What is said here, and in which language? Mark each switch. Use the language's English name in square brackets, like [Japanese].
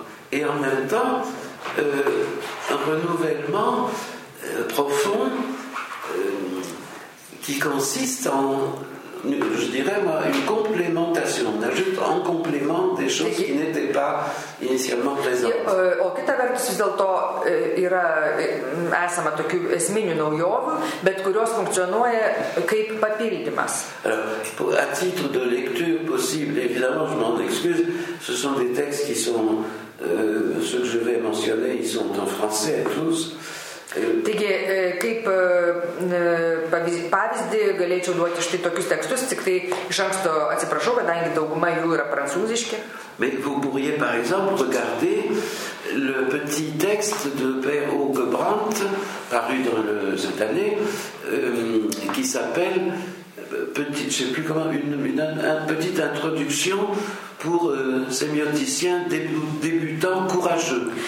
[French] Et en même temps, un renouvellement profond qui consiste en, je dirais moi, une complémentation, on ajoute en complément des choses qui n'étaient pas initialement présentes. [Lithuanian] O kita vertus, vis dėlto yra esama tokių esminių naujovių, bet kurios funkcionuoja kaip papildymas. [French] Alors, à titre de lecture possible, évidemment, je m'en excuse, ce sont des textes qui sont, ceux que je vais mentionner, ils sont en français tous. [Lithuanian] Taigi, kaip pavyzdį galėčiau duoti štai tokius tekstus, tik tai iš anksto atsiprašau, kadangi dauguma jų yra prancūziški. [French] Mais vous pourriez, par exemple, regarder le petit texte de Père Hugues Brandt, paru dans cette année, qui s'appelle, petit, je sais plus comment, une petite introduction pour sémioticien débutant courageux.